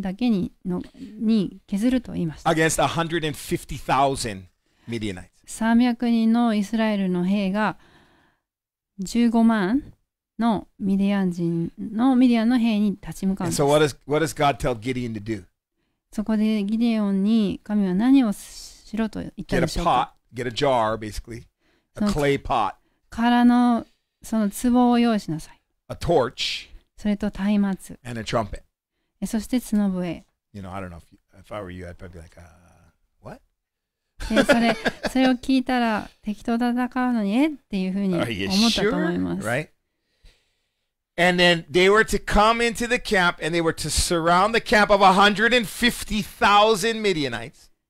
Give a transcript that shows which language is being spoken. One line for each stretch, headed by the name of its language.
Japanese: 300人の兵だけに削ると言いました。
English: Against 150,000 Midianites.
Japanese: 300人のイスラエルの兵が 15万のミディアン人のミディアンの兵に立ち向かうんです。
English: And so what does God tell Gideon to do?
Japanese: そこでギデオンに神は何をしろと言ったでしょうか?
English: Get a pot, get a jar basically, a clay pot.
Japanese: 空のその壺を用意しなさい。
English: A torch.
Japanese: それと松明。
English: And a trumpet.
Japanese: そして角笛。
English: You know, I don't know if I were you, I'd probably be like, what?
Japanese: それを聞いたら適当戦うのにっていうふうに思ったと思います。
English: Right? And then they were to come into the camp and they were to surround the camp of 150,000 Midianites.